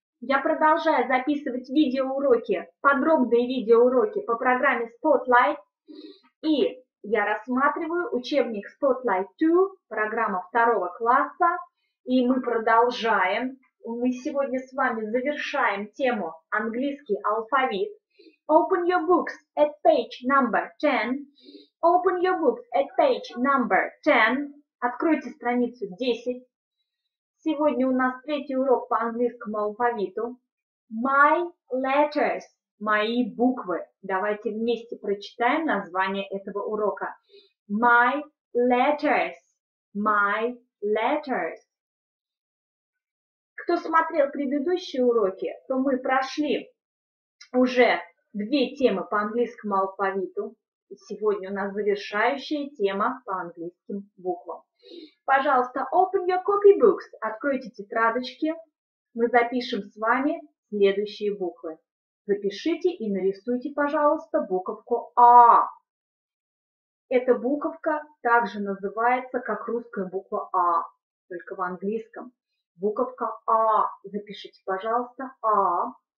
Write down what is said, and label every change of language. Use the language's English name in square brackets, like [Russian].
[Russian] Я продолжаю записывать видеоуроки, подробные видеоуроки по программе Spotlight. И я рассматриваю учебник Spotlight 2, программа 2 класса. И мы продолжаем. Мы сегодня с вами завершаем тему английский алфавит. [English] Open your books at page number 10. Open your books at page number 10. [Russian] Откройте страницу 10. Сегодня у нас третий урок по английскому алфавиту. [English] My letters. [Russian] Мои буквы. Давайте вместе прочитаем название этого урока. [English] My letters. My letters. [Russian] Кто смотрел предыдущие уроки, то мы прошли уже две темы по английскому алфавиту. И сегодня у нас завершающая тема по английским буквам. Пожалуйста, [English] open your copybooks. [Russian] Откройте тетрадочки. Мы запишем с вами следующие буквы. Запишите и нарисуйте, пожалуйста, буковку А. Эта буковка также называется, как русская буква А, только в английском. Буковка А. Запишите, пожалуйста, А.